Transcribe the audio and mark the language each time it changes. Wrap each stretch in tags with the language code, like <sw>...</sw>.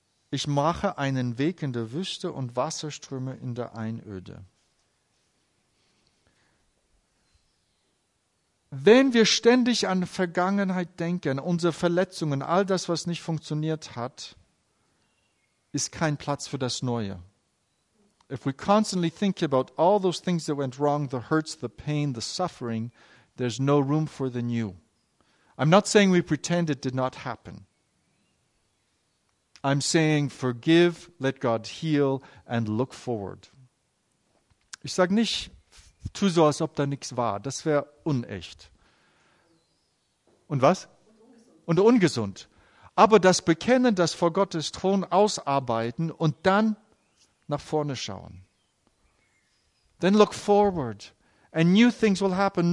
<de>Ich mache einen Weg in der Wüste und Wasserströme in der Einöde. Wenn wir ständig an Vergangenheit denken, unsere Verletzungen, all das, was nicht funktioniert hat, ist kein Platz für das Neue.</de> <en>If we constantly think about all those things that went wrong, the hurts, the pain, the suffering, there's no room for the new. I'm not saying we pretend it did not happen. I'm saying forgive, let God heal and look forward.</en> <de>Ich sage nicht, tu so, als ob da nichts war. Das wäre unecht. Und was? Und ungesund. Aber das Bekennen, das vor Gottes Thron ausarbeiten und dann nach vorne schauen.</de> <en>Then look forward and new things will happen.</en>